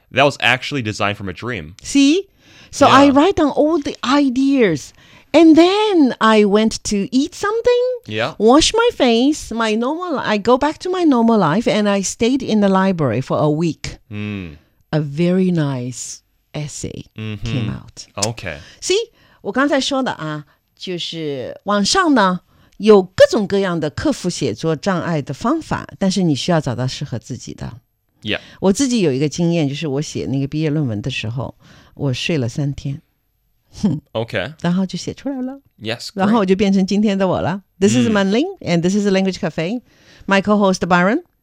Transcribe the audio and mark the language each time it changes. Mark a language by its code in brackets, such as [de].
[en] That was actually designed from a dream. See? So I write down all the ideas. And then I went to eat something, wash my face, I go back to my normal life, and I stayed in the library for a week. Mm. A very nice essay came out. Okay. [zh] See, 我刚才说的啊，就是网上呢，有各种各样的克服写作障碍的方法，但是你需要找到适合自己的。 [en] Yeah. [zh] 我自己有一个经验，就是我写那个毕业论文的时候，我睡了三天。 [en] Okay. [zh] 然后就写出来了。 [en] Yes, great. [zh] 然后我就变成今天的我了。 [en] This is Manling, and this is Language Cafe. My co-host, Byron.